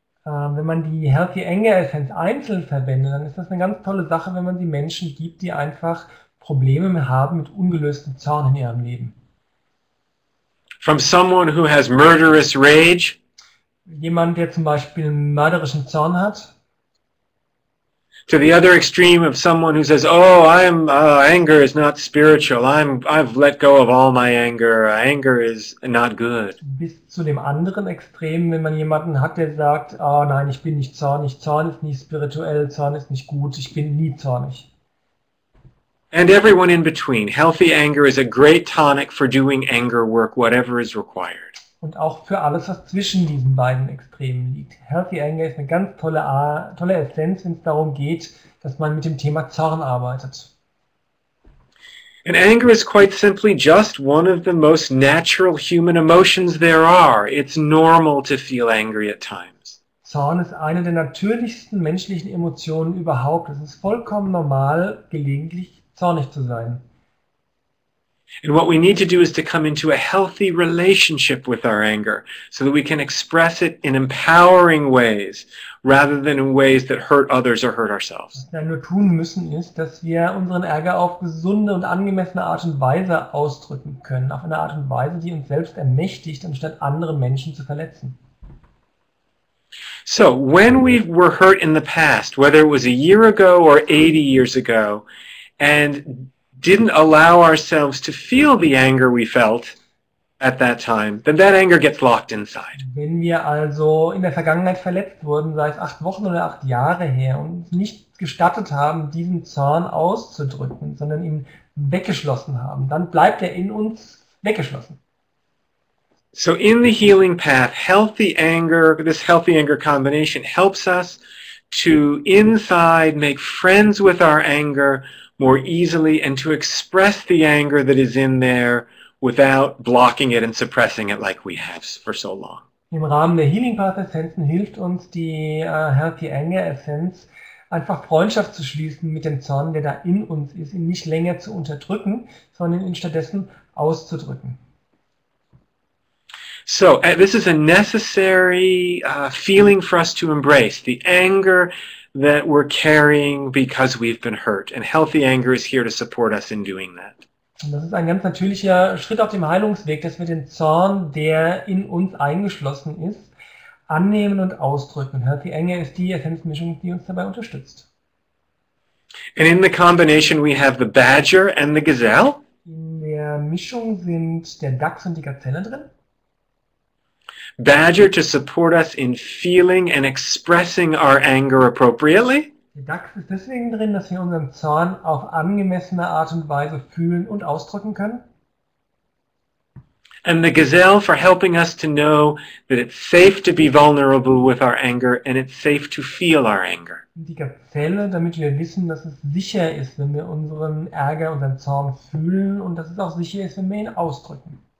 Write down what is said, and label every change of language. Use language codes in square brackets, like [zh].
[de] Wenn man die Healthy Anger Essenz einzeln verwendet, dann ist das eine ganz tolle Sache, wenn man die Menschen gibt, die einfach Probleme haben mit ungelöstem Zorn in ihrem Leben. [en] From someone who has murderous rage. [de] Jemand, der zum Beispiel einen mörderischen Zorn hat. [en] to the other extreme of someone who says, oh, I'm anger is not spiritual. I've let go of all my anger. Anger is not good. [de] Bis zu dem anderen Extrem, wenn man jemanden hat, der sagt, oh nein, ich bin nicht zornig. Zorn ist nicht spirituell. Zorn ist nicht gut. Ich bin nie zornig. [en] And everyone in between. Healthy anger is a great tonic for doing anger work, whatever is required. [de] Und auch für alles, was zwischen diesen beiden Extremen liegt. Healthy anger ist eine ganz tolle Essenz, wenn es darum geht, dass man mit dem Thema Zorn arbeitet. [en] And anger is quite simply just one of the most natural human emotions there are. It's normal to feel angry at times. [de] Zorn ist eine der natürlichsten menschlichen Emotionen überhaupt. Es ist vollkommen normal, gelegentlich zornig zu sein. [en] And what we need to do is to come into a healthy relationship with our anger so that we can express it in empowering ways rather than in ways that hurt others or hurt ourselves. [de] Was wir nur tun müssen, ist, dass wir unseren Ärger auf gesunde und angemessene Art und Weise ausdrücken können, auf eine Art und Weise, die uns selbst ermächtigt, anstatt andere Menschen zu verletzen. [en] So, when we were hurt in the past, whether it was a year ago or 80 years ago, and didn't allow ourselves to feel the anger we felt at that time, then that anger gets locked inside. [de] Wenn wir also in der Vergangenheit verletzt wurden, sei es 8 Wochen oder 8 Jahre her, und nicht gestattet haben, diesen Zorn auszudrücken, sondern ihn weggeschlossen haben, dann bleibt er in uns weggeschlossen. [en] So in the healing path, healthy anger, this healthy anger combination helps us to inside make friends with our anger more easily and to express the anger that is in there without blocking it and suppressing it like we have for so long. [de] Im Rahmen der Healing Path Essenzen hilft uns die Healthy Anger Essenz, einfach Freundschaft zu schließen mit dem Zorn, der da in uns ist, ihn nicht länger zu unterdrücken, sondern ihn stattdessen auszudrücken. [en] So, this is a necessary feeling for us to embrace, the anger that we're carrying because we've been hurt, and healthy anger is here to support us in doing that. [de] Das ist ein ganz natürlicher Schritt auf dem Heilungsweg, dass wir den Zorn, der in uns eingeschlossen ist, annehmen und ausdrücken. Healthy anger ist die Essenzmischung, die uns dabei unterstützt. [en] And in the combination we have the badger and the gazelle. [de] In der Mischung sind der Dachs und die Gazelle drin. [en] Badger to support us in feeling and expressing our anger appropriately. [de] Der Dachs ist deswegen drin, dass wir unseren Zorn auf angemessene Art und Weise fühlen und ausdrücken können. [en] And the gazelle for helping us to know that it's safe to be vulnerable with our anger and it's safe to feel our anger. [de] Die Gazelle, damit wir wissen, dass es sicher ist, wenn wir unseren Ärger, unseren Zorn fühlen und dass es auch sicher ist, wenn wir ihn ausdrücken.